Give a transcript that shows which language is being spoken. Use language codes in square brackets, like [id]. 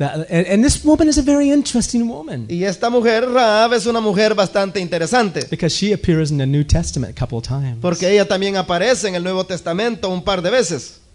[en] And this woman is a very interesting woman. [es] Y esta mujer, Rahab, es una mujer bastante interesante. [en] Because she appears in the New Testament a couple of times. [es] Porque ella también aparece en el Nuevo Testamento un par de veces.